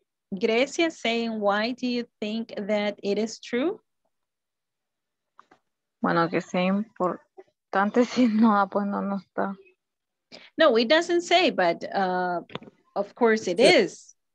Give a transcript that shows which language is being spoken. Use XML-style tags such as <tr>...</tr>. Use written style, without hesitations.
<en>Grecia saying, why do you think that it is true?</en> <es>Bueno, que sea importante si no, pues no, no está.</es> <en>No, it doesn't say, but of course it is.</en>